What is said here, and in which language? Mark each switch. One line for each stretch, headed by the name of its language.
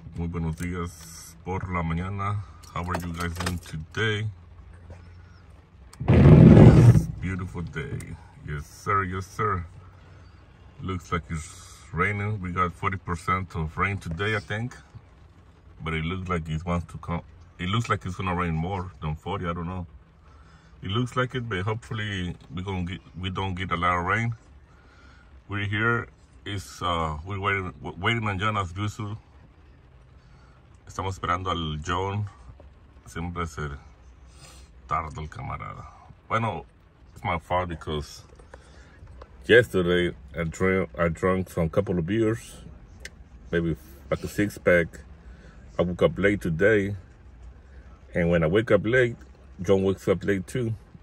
Spanish: Muy buenos días por la mañana.
English: How are you guys doing today? Beautiful day. Yes, sir. Yes, sir. Looks like it's raining. We got 40% of rain today, I think. But it looks like it wants to come. It looks like it's gonna rain more than 40. I don't know. It looks like it, but hopefully we don't get a lot of rain. We're here. We're waiting on Jonas Busu.
Spanish: Estamos esperando al John. Siempre se tarda el camarada.
English: Bueno, it's my fault because yesterday I drank some couple of beers, maybe like a six pack. I woke up late today, and when I wake up late, John wakes up late too.